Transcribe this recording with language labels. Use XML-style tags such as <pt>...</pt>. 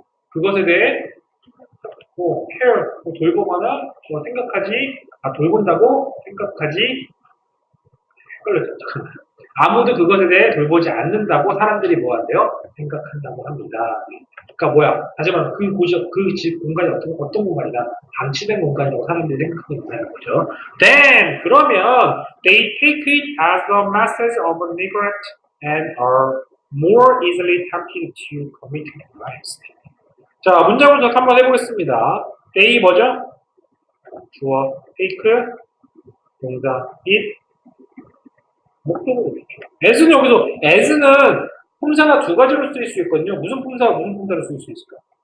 <ko>그것에 대해 뭐 care 뭐 돌보거나 뭐 생각하지 아 돌본다고 생각하지 헷갈렸죠. 아무도 그것에 대해 돌보지 않는다고 사람들이 뭐 한대요? 생각한다고 합니다. 그러니까 뭐야? 하지만 그 고지역 그 집 공간이 어떤 공간이다? 방치된 공간이라고 사람들이 생각하는 거잖아요. 그렇죠?</ko> <en>Then</en> <ko>그러면</ko> <en>they take it as a message of neglect and are more easily tempted to commit crimes.</en> <ko>자, 문장을 다시 한번 해보겠습니다. They 뭐죠? 주어, take, 동사, it, 목적으로 되죠. as는 여기서, as는 품사가 두 가지로 쓰일 수 있거든요. 무슨 품사와 무슨 품사를 쓰일 수 있을까요?</ko>